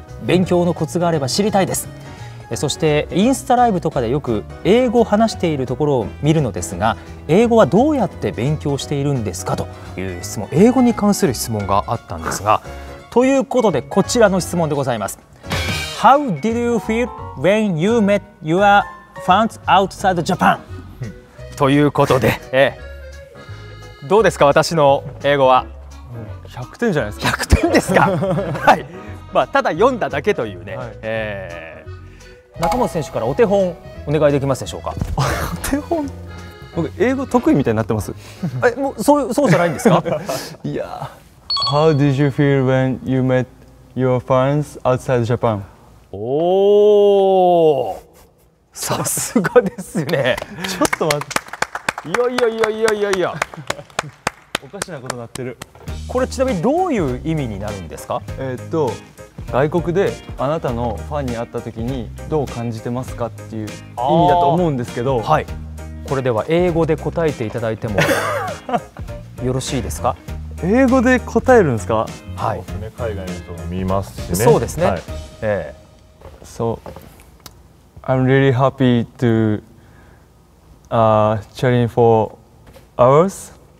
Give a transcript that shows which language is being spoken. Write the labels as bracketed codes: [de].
[ja] 勉強のコツがあれば知りたいです。そしてインスタライブとかでよく英語を話しているところを見るのですが、英語はどうやって勉強しているんですかという質問、英語に関する質問があったんですが、ということでこちらの質問でございます。 [en] How did you feel when you met your fans outside Japan? [ja] ということで、どうですか私の英語は。 100点じゃないですか。 100点ですか、はい、まあ、ただ読んだだけというね、はい、仲本選手からお手本お願いできますでしょうか。お手本、僕英語得意みたいになってますえもう そうじゃないんですか [en] いや、How did you feel when you met your fans outside Japan? [ja] おお、さすがですねちょっと待って、いやおかしなことになってる。これちなみにどういう意味になるんですか。外国であなたのファンに会った時にどう感じてますかっていう意味だと思うんですけど、はい、これでは英語で答えていただいてもよろしいですか。英語で答えるんですか。はい、そうですね、海外の人も見ますしね。そうですね、はい、 [en] So I'm really happy to cheering for ours.